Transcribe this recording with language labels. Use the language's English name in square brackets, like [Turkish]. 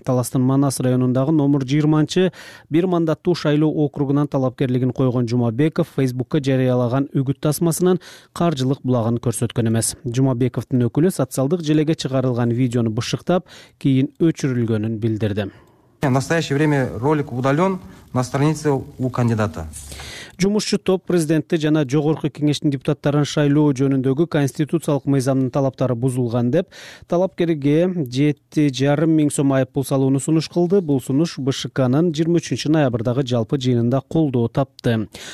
[Kyrgyz] Таластын Манас районундагы номер 20 бир мандаттуу шайлоо округунан талапкерлигин койгон Жумабеков Facebook'ка жарыялаган үгүт тасмасынан каржылык булагын көрсөткөн эмес. Жумабековдун өкүлү социалдык желеге чыгарылган видеону бышыктап, кийин өчүрүлгөнүн билдирди. [Russian] В настоящее время ролик удален на странице у кандидата. [Kyrgyz] Жумушчу топ президентти жана жогорку кеңештин депутаттарын шайлоо жөнүндөгү конституциялык мыйзамдын талаптары бузулган деп талапкерге 7,5 000 сом айыппул салууну сунуш кылды. Бул сунуш БШКнын 23 ноябрдагы жалпы жыйынында колдоо тапты.